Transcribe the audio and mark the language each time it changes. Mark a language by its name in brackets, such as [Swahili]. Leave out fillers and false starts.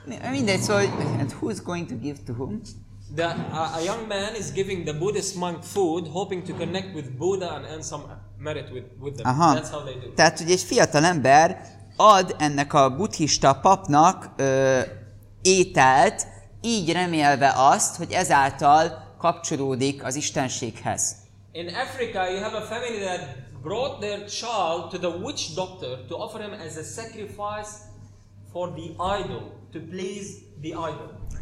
[Hungarian] Mindegy, szóval, [English] and who's going to give to whom? A young man is giving the Buddhist monk food, hoping to connect with Buddha and earn some merit with them. Aha. That's how they do. [Hungarian] Tehát, hogy egy fiatal ember ad ennek a buddhista papnak ételt, így remélve azt, hogy ezáltal kapcsolódik az Istenséghez. [English] In Africa, you have a family that brought their child to the witch doctor to offer him as a sacrifice for the idol, to please the idol.